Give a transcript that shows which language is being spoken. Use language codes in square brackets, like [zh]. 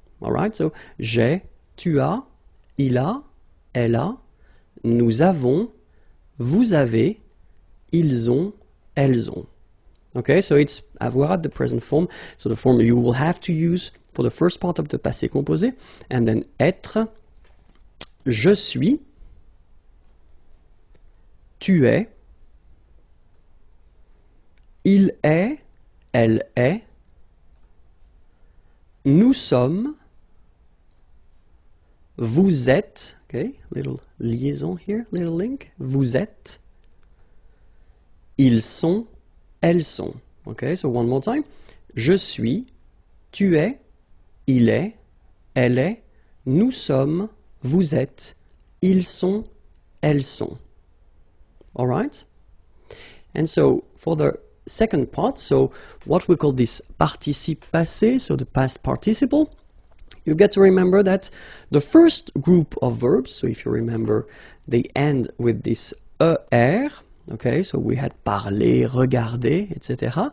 [en] Alright, so [fr] j'ai, tu as, il a, elle a, nous avons, vous avez, ils ont, elles ont. [en] Okay, so it's avoir at the present form. So the form you will have to use for the first part of the passé composé, and then être, [fr] je suis, tu es, il est, elle est, nous sommes, vous êtes, [en] okay, little liaison here, little link, [fr] vous êtes, Ils sont, elles sont. [en] Okay, so one more time. [fr] Je suis, tu es, il est, elle est, nous sommes, vous êtes, ils sont, elles sont. [en] All right? And so, for the second part, so what we call this participe passé, so the past participle, you've got to remember that the first group of verbs, so if you remember, they end with this ER, okay, so we had parler, regarder, etc.